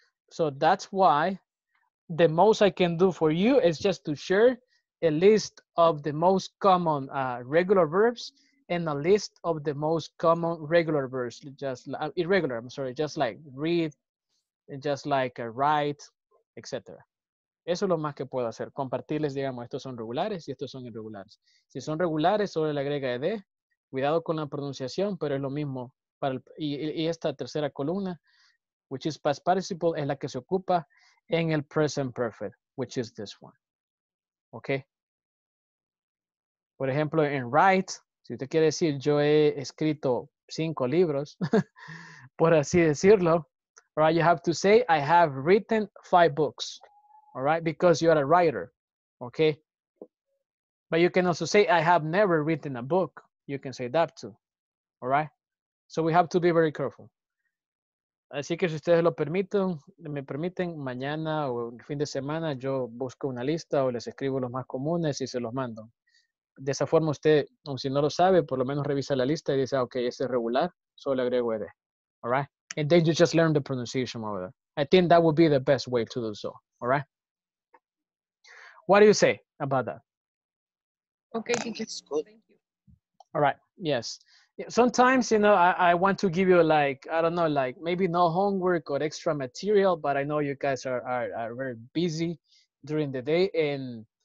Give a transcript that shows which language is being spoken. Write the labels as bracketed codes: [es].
[en] So that's why the most I can do for you is just to share a list of the most common regular verbs and a list of the most common regular verbs, just irregular, I'm sorry, just like read and just like write, etc. [es] Eso es lo más que puedo hacer, compartirles, digamos, estos son regulares y estos son irregulares. Si son regulares, solo le agrega ed, cuidado con la pronunciación, pero es lo mismo para el, y esta tercera columna, [en] which is past participle, [es] es la que se ocupa en el present perfect, [en] which is this one. [es] ¿Ok? Por ejemplo, en write, si usted quiere decir, yo he escrito 5 libros, por así decirlo, [en] right, you have to say, I have written 5 books. All right? Because you are a writer. Okay? But you can also say, I have never written a book. You can say that too. All right? So we have to be very careful. [es] Así que si ustedes lo permiten, me permiten, mañana o el fin de semana, yo busco una lista o les escribo los más comunes y se los mando. De esa forma usted, o si no lo sabe, por lo menos revisa la lista y dice, ah, okay, ese es regular, solo le agrego ed. [en] All right? And then you just learn the pronunciation over there. I think that would be the best way to do so. All right? What do you say about that? Okay, it's good. Thank you. All right, yes. Sometimes, you know, I want to give you like, I don't know, like maybe no homework or extra material, but I know you guys are very busy during the day. And